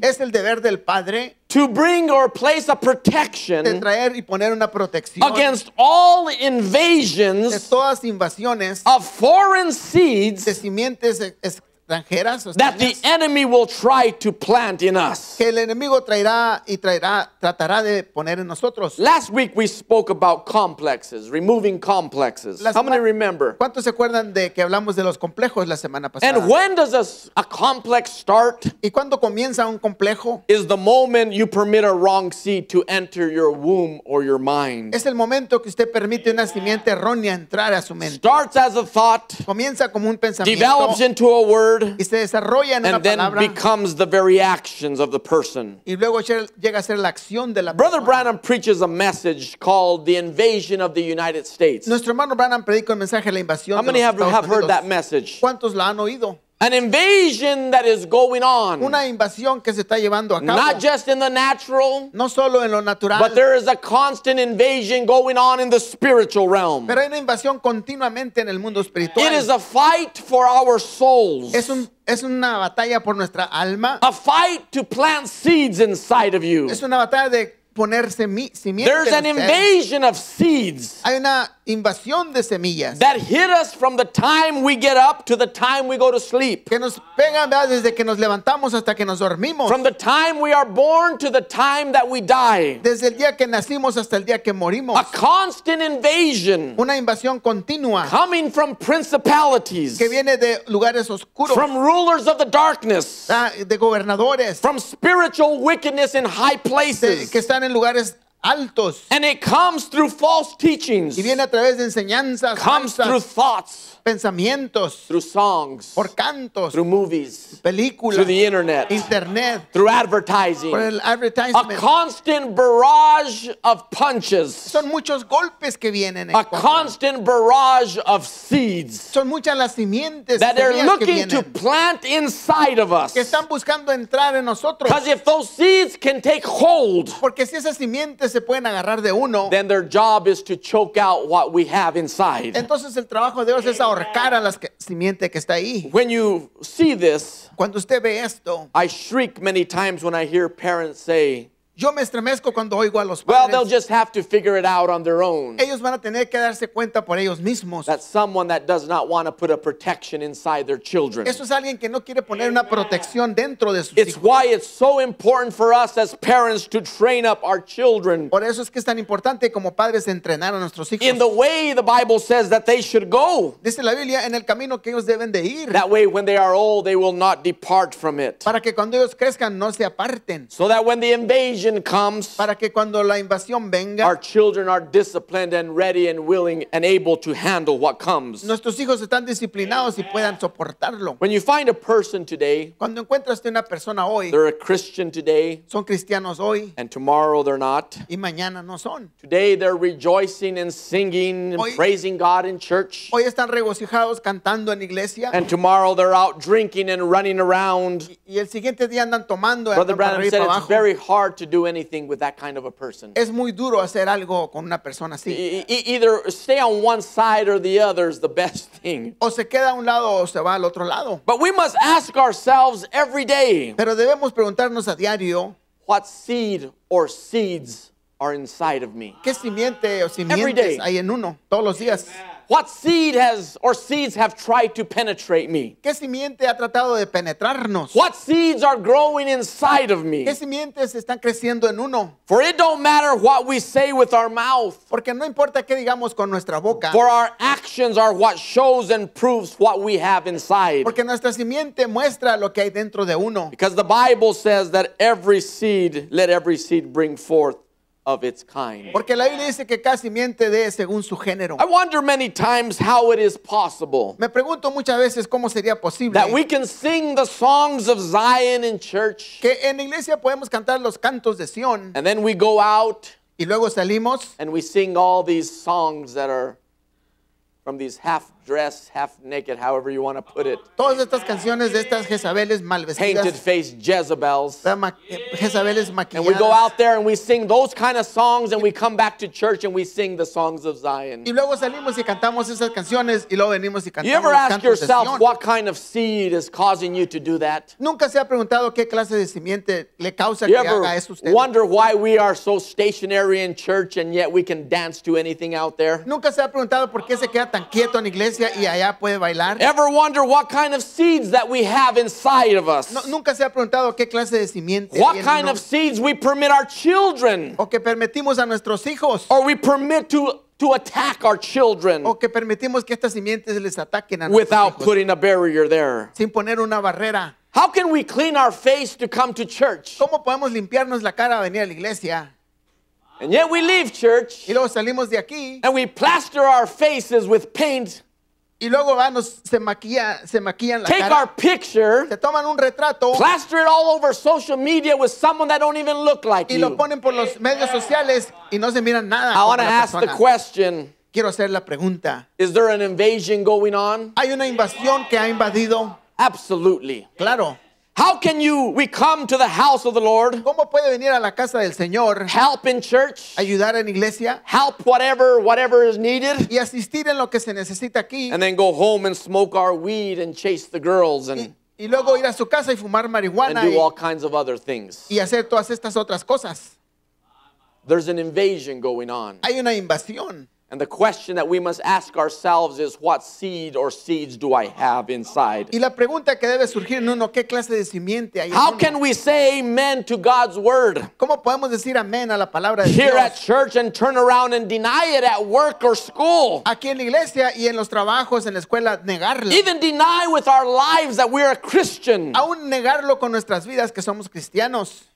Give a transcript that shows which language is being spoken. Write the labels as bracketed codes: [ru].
[es] Es el deber del padre. [en] To bring or place a protection [es] de traer y poner una protección [en] against all invasions [es] de todas invasiones [en] of foreign seeds [es] de simientes extranjeras [en] that the enemy will try to plant in us. [es] Que el enemigo traerá y traerá, tratará de poner en nosotros. [en] Last week we spoke about complexes, removing complexes. How many remember? [es] ¿Cuántos se acuerdan de que hablamos de los complejos la semana pasada? [en] And when does a complex start? [es] ¿Y cuándo comienza un complejo? [en] Is the moment you permit a wrong seed to enter your womb or your mind. [es] Es el momento que usted permite una simiente errónea entrar a su mente. [en] Starts as a thought. [es] Comienza como un pensamiento. [en] Develops into a word. [es] Y se desarrolla en [en] and [es] una [en] then [es] palabra. [en] Becomes the very actions of the person. [es] Y luego llega a ser la acción de la [en] Brother [es] persona. [en] Branham preaches a message called The Invasion of the United States. [es] Nuestro hermano Branham predica el mensaje de la invasión. [en] How many [es] de [en] have heard that message? [es] ¿Cuántos la han oído? [en] An invasion that is going on. [es] Una invasión que se está llevando a cabo. [en] Not just in the natural. [es] No solo en lo natural. [en] But there is a constant invasion going on in the spiritual realm. [es] Pero hay una invasión continuamente en el mundo espiritual. [en] It is a fight for our souls. [es] Es una batalla por nuestra alma. [en] A fight to plant seeds inside of you. [es] Es una batalla de poner semillas. [en] There's an invasion of seeds. [es] Hay una invasión de semillas [en] that hit us from the time we get up to the time we go to sleep. [es] Que nos pegan, ¿verdad? Desde que nos levantamos hasta que nos dormimos. [en] From the time we are born to the time that we die. [es] Desde el día que nacimos hasta el día que morimos. [en] A constant invasion. [es] Una invasión continua. [en] Coming from principalities. [es] Que viene de lugares oscuros. [en] From rulers of the darkness. [es] De gobernadores. [en] From spiritual wickedness in high places. [es] Que están en lugares altos. [en] And it comes through false teachings. [es] Y viene a través de enseñanzas. [en] Comes [es] falsas. [en] Through thoughts. [es] Pensamientos. [en] Through songs. [es] Por cantos. [en] Through movies. [es] Películas. [en] Through the internet. [es] Internet. [en] Through advertising. [es] Por el [en] advertisement. A constant barrage of punches. [es] Son muchos golpes que vienen. [en] A constant barrage of seeds. [es] Son muchas las simientes. [en] That they're looking to plant inside of us. [es] Que están buscando entrar en nosotros. [en] Because if those seeds can take hold. [es] Porque si esas simientes se pueden agarrar de uno. [en] Then their job is to choke out what we have inside. [es] Entonces el trabajo de Dios es ahorcar a la simiente que está ahí. [en] When you see this, [es] cuando usted ve esto, [en] I shriek many times when I hear parents say, [es] yo me estremezco cuando oigo a los padres, [en] well, they'll just have to figure it out on their own. [es] Ellos van a tener que darse cuenta por ellos mismos. [en] That's someone that does not want to put a protection inside their children. [es] Eso es alguien que no quiere poner una protección dentro de sus hijos. [en] It's why it's so important for us as parents to train up our children. [es] Por eso es que es tan importante como padres entrenar a nuestros hijos. [en] In the way the Bible says that they should go. [es] Dice la Biblia en el camino que ellos deben de ir. [en] That way when they are old they will not depart from it. [es] Para que cuando ellos crezcan no se aparten. [en] So that when the invasion comes, [es] para que cuando la invasión venga, [en] our children are disciplined and ready and willing and able to handle what comes. [es] Nuestros hijos están disciplinados y puedan soportarlo. [en] When you find a person today, [es] cuando encuentras una persona hoy, [en] they're a Christian today, [es] son cristianos hoy, [en] and tomorrow they're not, [es] y mañana no son. [en] Today they're rejoicing and singing and [es] hoy, [en] praising God in church, [es] hoy están regocijados cantando en iglesia, [en] and tomorrow they're out drinking and running around. [es] Y el siguiente día andan tomando. [en] Brother Branham said [es] abajo. [en] It's very hard to do anything with that kind of a person. [es] Es muy duro hacer algo con una persona así. [en] Either stay on one side or the other is the best thing. [es] O se queda a un lado o se va al otro lado. [en] But we must ask ourselves every day. [es] Pero debemos preguntarnos a diario. [en] What seed or seeds are inside of me? [es] ¿Qué simiente o simientes hay en uno todos los días? [en] What seed has or seeds have tried to penetrate me? [es] ¿Qué simiente ha tratado de penetrarnos? [en] What seeds are growing inside of me? [es] ¿Qué simientes están creciendo en uno? [en] For it don't matter what we say with our mouth. [es] Porque no importa qué digamos con nuestra boca. [en] For our actions are what shows and proves what we have inside. [es] Porque nuestra simiente muestra lo que hay dentro de uno. [en] Because the Bible says that every seed, let every seed bring forth of its kind. [es] Porque la Biblia dice que cada simiente dé según su género. [en] I wonder many times how it is possible. [es] Me pregunto muchas veces cómo sería posible. [en] That we can sing the songs of Zion in church. [es] Que en la iglesia podemos cantar los cantos de Sion. [en] And then we go out. [es] Y luego salimos. [en] And we sing all these songs that are from these half-dressed, half-naked, however you want to put it. [es] Todas estas canciones de estas Jezabeles mal vestidas. [en] Painted face Jezebels. [es] Jezabeles maquilladas. [en] And we go out there and we sing those kind of songs and we come back to church and we sing the songs of Zion. [es] Y luego salimos y cantamos esas canciones y luego venimos y cantamos los cantos de Sion. [en] You ever ask yourself what kind of seed is causing you to do that? [es] Nunca se ha preguntado qué clase de simiente le causa que haga eso usted. [en] You ever wonder why we are so stationary in church and yet we can dance to anything out there? [es] Nunca se ha preguntado por qué se queda tan quieto en iglesia y allá puede bailar. [en] Ever wonder what kind of seeds that we have inside of us? [es] Nunca se ha preguntado qué clase de simiente. [en] What kind of seeds we permit our children? [es] O que permitimos a nuestros hijos. [en] Or we permit to attack our children. [es] O que permitimos que estas simientes les ataquen a nuestros hijos. [en] Without putting a barrier there. [es] Sin poner una barrera. [en] How can we clean our face to come to church? [es] ¿Cómo podemos limpiarnos la cara a venir a la iglesia? [en] And yet we leave church. [es] Y luego salimos de aquí. [en] And we plaster our faces with paint. [es] Y luego vamos, se maquillan la [en] take [es] cara. [en] Our picture. [es] Se toman un retrato. [en] Plaster it all over social media with someone that don't even look like [es] y [en] you. [es] Y lo ponen por los medios sociales y no se miran nada. [en] I want to ask the question. [es] Quiero hacer la pregunta. [en] Is there an invasion going on? [es] ¿Hay una invasión que ha invadido? [en] Absolutely. [es] Claro. [en] How can we come to the house of the Lord? [es] ¿Cómo puede venir a la casa del Señor? [en] Help in church. [es] Ayudar en iglesia. [en] Help whatever is needed. [es] Y asistir en lo que se necesita aquí. [en] And then go home and smoke our weed and chase the girls and [es] y luego ir a su casa y fumar marihuana [en] and do all kinds of other things. [es] Y hacer todas estas otras cosas. [en] There's an invasion going on. [es] Hay una invasión. [en] And the question that we must ask ourselves is, what seed or seeds do I have inside? [es] Y la pregunta que debe surgir en uno, ¿qué clase de simiente hay en uno? [en] How can we say amen to God's word? [es] ¿Cómo podemos decir amén a la palabra de Dios? [en] Here at church and turn around and deny it at work or school. [es] Aquí en la iglesia y en los trabajos, en la escuela, negarlo. [en] Even deny with our lives that we are a Christian. [es] Aún negarlo con nuestras vidas que somos cristianos.